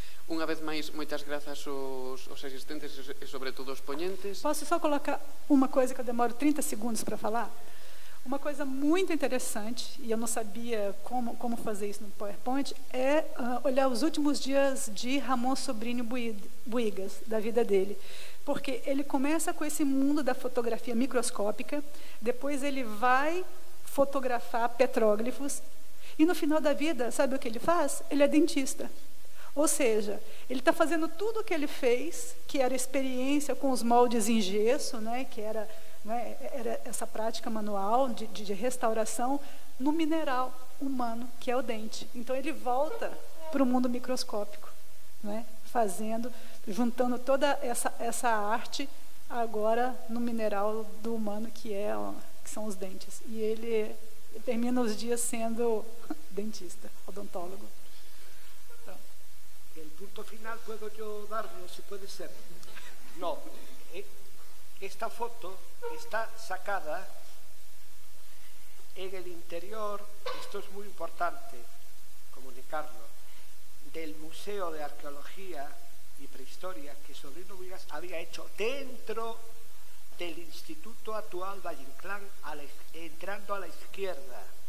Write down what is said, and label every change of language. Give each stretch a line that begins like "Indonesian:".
Galician: Unha vez máis, moitas grazas aos asistentes e, sobre todo, aos ponentes.
Portuguese: Posso só colocar uma coisa que eu demoro 30 segundos para falar? Uma coisa muito interessante, e eu não sabia como fazer isso no PowerPoint, olhar os últimos dias de Ramon Sobrinho Buigas, da vida dele. porque ele começa com esse mundo da fotografia microscópica, depois ele vai fotografar petróglifos, e no final da vida, sabe o que ele faz? Ele é dentista. Ou seja, ele está fazendo tudo o que ele fez, que era experiência com os moldes em gesso, né, que era, né, era essa prática manual de restauração, no mineral humano, que é o dente. Então, ele volta para o mundo microscópico, né, fazendo, juntando toda essa arte agora no mineral do humano, que são os dentes. E ele termina os dias sendo dentista, odontólogo.
Spanish: El punto final puedo yo darlo, si puede ser. No, esta foto está sacada en el interior, esto es muy importante comunicarlo, del Museo de Arqueología y Prehistoria que Sobrino Vigas había hecho dentro del Instituto actual Valle Inclán, entrando a la izquierda.